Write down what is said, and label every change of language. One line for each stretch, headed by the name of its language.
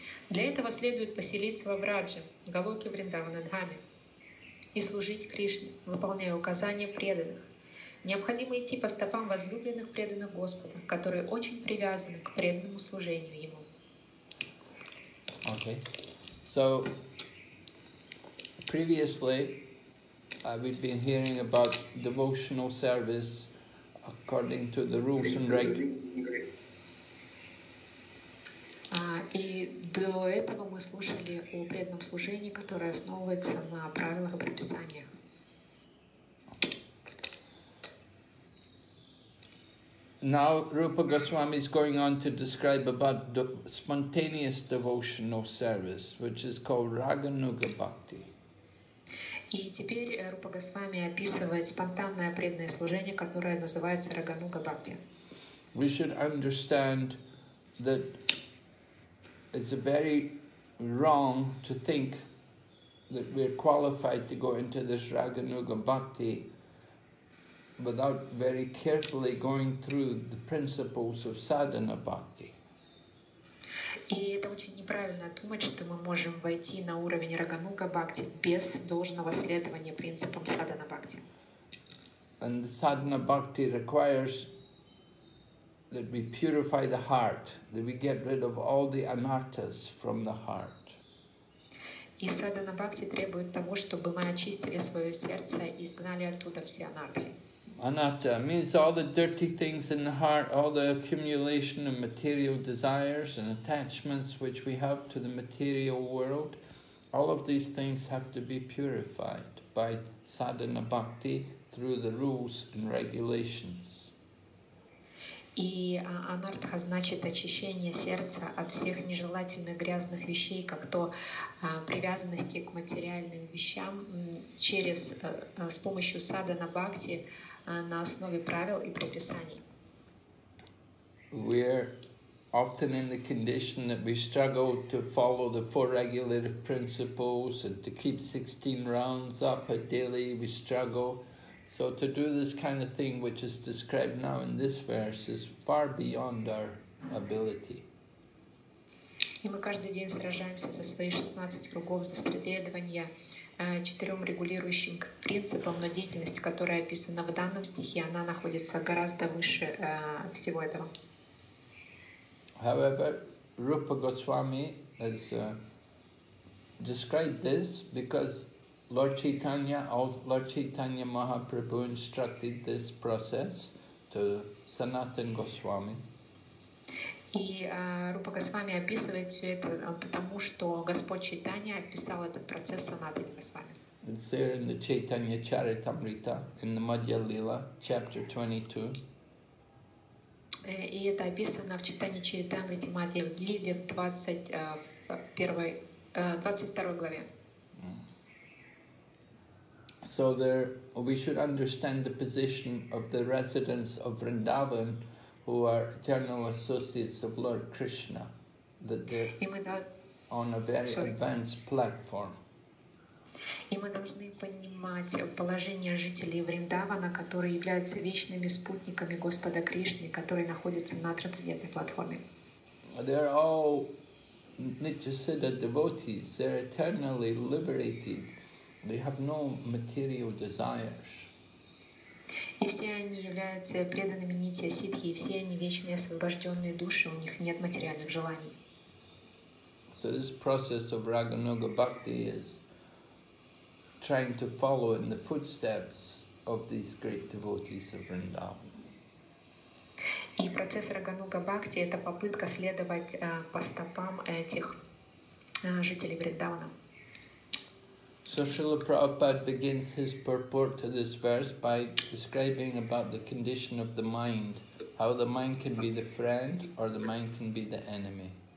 Russian: Для этого следует поселиться во Врадже, Галоке Вриндавана Дхаме, и служить Кришне, выполняя указания преданных. Необходимо идти по стопам возлюбленных преданных Господа, которые очень привязаны к преданному служению Ему.
English: Okay. So, previously, we've been hearing about devotional service according to the rules and regulations.
Russian: И до этого мы слушали о преданном служении, которое основывается на правилах и предписаниях.
English: Now Rupa Goswami is going on to describe about the spontaneous devotional service, which is called Raganuga Bhakti.
Russian: И теперь Рупа Госвами описывает спонтанное преданное служение, которое называется Рагануга Бхакти.
English: We should understand that it's very wrong to think that we're qualified to go into this Raganuga Bhakti without very carefully going through the principles of sadhana bhakti.
Russian: И это очень неправильно думать, что мы можем войти на уровень Рагануга Бхакти без должного следования принципам sadhana bhakti.
English: And the sadhana bhakti requires that we purify the heart, that we get rid of all the anattas from the heart.
Russian: И sadhana bhakti требует того, чтобы мы очистили свое сердце и изгнали оттуда все анатты.
English: Anatta means all the dirty things in the heart, all the accumulation of material desires and attachments which we have to the material world. All of these things have to be purified by sadhana bhakti through the rules and regulations.
Russian: И анартха значит очищение сердца от всех нежелательных грязных вещей, как то привязанности к материальным вещам через с помощью sadhana bhakti. На основе правил и предписаний.
English: We are often in the condition that we struggle to follow the four regulative principles and to keep 16 rounds up a daily, we struggle. So to do this kind of thing which is described now in this verse is far beyond our ability.
Russian: И мы каждый день сражаемся со свои 16 кругов за следование четырем регулирующим принципам, но деятельность, которая описана в данном стихе, она находится гораздо выше всего этого.
English: However, Rupa Goswami has described this because Lord Chaitanya Mahaprabhu instructed this process to Sanatan Goswami.
Russian: И Рупа Госвами описывает все это, потому что Господь Чайтанья описал этот процесс Санатани Госвами.
English: It's there in the Chaitanya Charitamrita, in the Madhya Lila, chapter 22.
Russian: И это описано в Чайтанья Чаритамрите Мадья Лиле в 22 главе.
English: So there, we should understand the position of the residents of Vrindavan, who are eternal associates of Lord Krishna, that they're on a very advanced platform.
Russian: И мы должны понимать положение жителей Вриндавана, которые являются вечными спутниками Господа Кришны, которые находятся на трансцендентной платформе.
English: They are all Nityasiddha devotees. They're eternally liberated. They have no material desires.
Russian: И все они являются преданными нити ситхи, и все они вечные освобожденные души, у них нет материальных желаний.
English: So this process of Raganuga Bhakti is trying to follow in the footsteps of these great devotees of Vrindavan.
Russian: И процесс Рагануга Бхакти — это попытка следовать по стопам этих жителей Вриндавана.
English: So Srila Prabhupada begins his purport to this verse by describing about the condition of the mind, how the mind can be the friend or the mind can be the enemy.